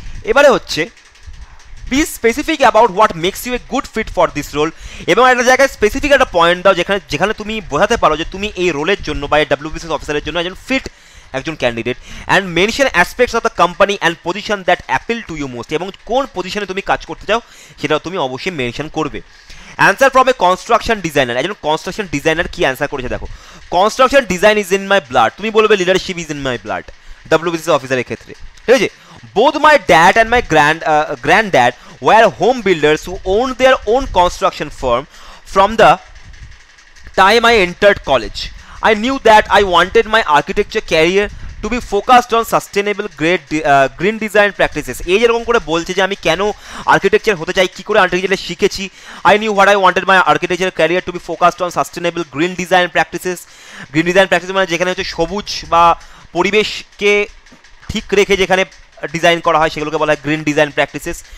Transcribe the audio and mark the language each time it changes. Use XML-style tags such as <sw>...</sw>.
<bn>এবারে হচ্ছে</bn> <en>be specific about what makes you a good fit for this role,</en> <bn>এবং একটা জায়গায় স্পেসিফিক একটা পয়েন্ট দাও যেখানে যেখানে তুমি বোঝাতে পারো যে তুমি এই রোলের জন্য বা এই WBCS অফিসারের জন্য একজন ফিট একজন candidate,</bn> <en>and mention aspects of the company and position that appeal to you most,</en> <bn>এবং কোন পজিশনে তুমি কাজ করতে চাও সেটাও তুমি অবশ্যই মেনশন করবে।</bn> <en>answer from a construction designer,</en> <bn>একজন কনস্ট্রাকশন ডিজাইনার কি অ্যান্সার করেছে দেখো,</bn> <en>construction design is in my blood,</en> <bn>তুমি বলবে</bn> <en>leadership is in my blood</en> <bn>WBCS অফিসারের ক্ষেত্রে, ঠিক আছে।</bn> <en>Both my dad and my granddad were home builders who owned their own construction firm from the time I entered college. I knew that I wanted my architecture career to be focused on sustainable great green design practices.</en> <bn>এই যেরকম করে বলছে যে আমি কেন architecture হতে চাই, কী করে আর্কিটেকচার শিখেছি,</bn> <en>I knew what I wanted my architecture career to be focused on sustainable green design practices.</en> <bn>Green design practice মানে যেখানে হচ্ছে সবুজ বা পরিবেশকে ঠিক রেখে যেখানে ডিজাইন করা হয় সেগুলোকে বলা হয় গ্রিন ডিজাইন প্র্যাকটিসেস।</bn>